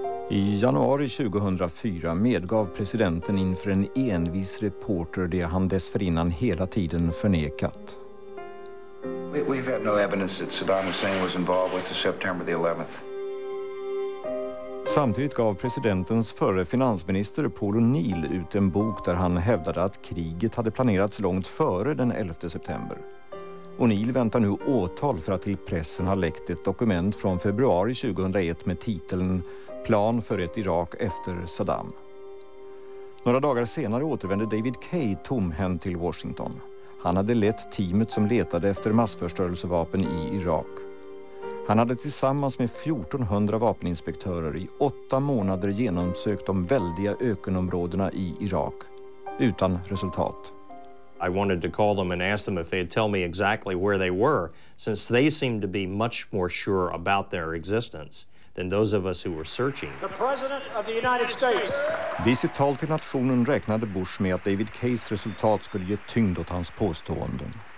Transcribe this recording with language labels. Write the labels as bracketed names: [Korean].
[Swedish] I januari 2004 medgav presidenten inför en envis reporter det han dessförinnan hela tiden förnekat. [English] We've had no evidence that Saddam Hussein was involved with the September the 11th. [Swedish] Samtidigt gav presidentens förre finansminister Paul O'Neill ut en bok där han hävdade att kriget hade planerats långt före den 11 september. O'Neill väntar nu åtal för att till pressen ha läckt ett dokument från februari 2001 med titeln Plan för ett Irak efter Saddam. Några dagar senare återvände David Kay tomhänt till Washington. Han hade lett teamet som letade efter massförstörelsevapen i Irak. Han hade tillsammans med 1400 vapeninspektörer i 8 månader genomsökt de väldiga ökenområdena i Irak, utan resultat. [English] I wanted to call them and ask them if they'd tell me exactly where they were, since they seemed to be much more sure about their existence than those of us who were searching. The President of the United States. [Swedish] Vid sitt tal till nationen räknade Bush med att David Kays resultat skulle ge tyngd åt hans påståenden.